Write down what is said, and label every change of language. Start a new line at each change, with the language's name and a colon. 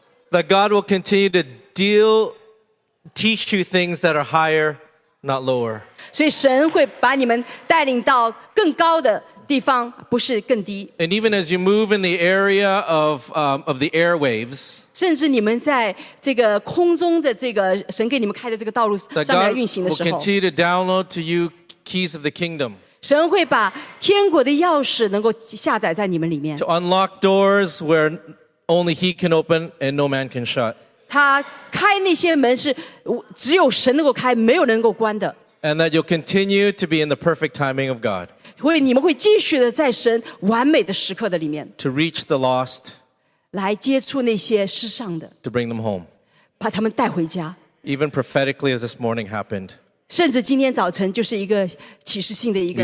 English: That God will continue to teach you things that are higher, not lower. And even as you move in the area of the airwaves,
Chinese: 甚至你们在这个空中的这个神给你们开的这个道路上面运行的时候
English: that God will continue to download to you keys of the kingdom.
Chinese: 神会把天国的钥匙能够下载在你们里面
English: to unlock doors where only He can open and no man can shut.
Chinese: 他开那些门是只有神能够开，没有人能够关的
English: And that you'll continue to be in the perfect timing of God.
Chinese: 你们会继续的在神完美的时刻的里面
English: to reach the lost
Chinese: 来接触那些失丧的
English: to bring them home
Chinese: 把他们带回家
English: even prophetically as this morning happened
Chinese: 甚至今天早晨就是一个启示性的一个